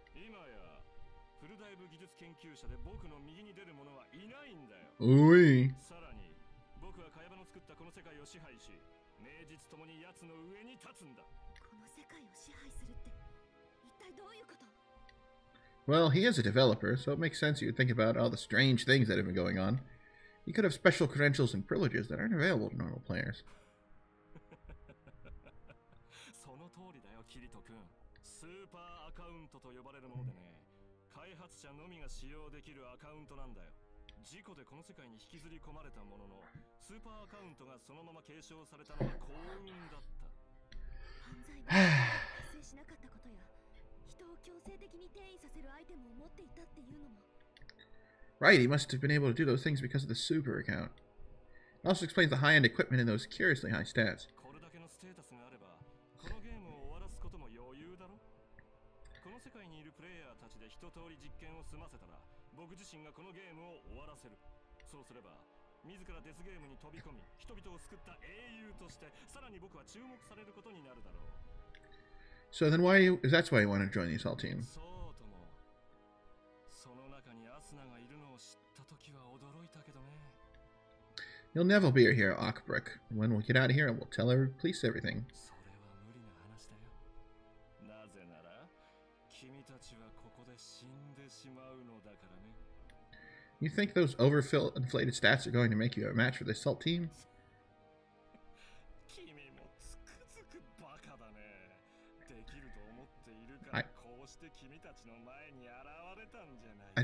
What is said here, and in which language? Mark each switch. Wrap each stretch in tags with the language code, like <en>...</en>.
<ja>今や、フルダイブ技術研究者で僕の右に出る者はいないんだよ。おい。さらに、僕はカヤバの作ったこの世界を支配し、名実ともに奴の上に立つんだ。この世界を支配するって、一体どういうこと？</ja> <en>Well, he is a developer, so it makes sense you'd think about all the strange things that have been going on. He could have special credentials and privileges that aren't available to normal players.</en> <ja>その通りだよ、キリト君。スーパーアカウントと呼ばれるものでね、開発者のみが使用できるアカウントなんだよ。事故でこの世界に引きずり込まれたものの、スーパーアカウントがそのまま継承されたのは幸運だった。犯罪が発生しなかったことや、人を強制的に転移させるアイテムを持っていたっていうのも。</ja> <en>Right, he must have been able to do those things because of the super account. It also explains the high-end equipment and those curiously high stats.</en> <ja>これだけのステータスがあれば、このゲームを終わらすことも余裕だろ。この世界にいるプレイヤーたちで一通り実験を済ませたら、僕自身がこのゲームを終わらせる。そうすれば、自らデスゲームに飛び込み、人々を救った英雄として、さらに僕は注目されることになるだろう。</ja> <en>So then why is that why you want to join the assault team?</en> <ja>そうとも。その中にアスナがいるのを知った時は驚いたけどね。</ja> <en>You'll never be here, Ockbrick. When we get out of here, we'll tell our police everything.</en> <ja>それは無理な話だよ。なぜなら、君たちはここで死んでしまうのだからね。</ja> <en>You think those overinflated stats are going to make you a match for the assault team?</en> <ja>君もつくづくバカだね。できると思っているから、こうして君たちの前に現れたんじゃない。</ja>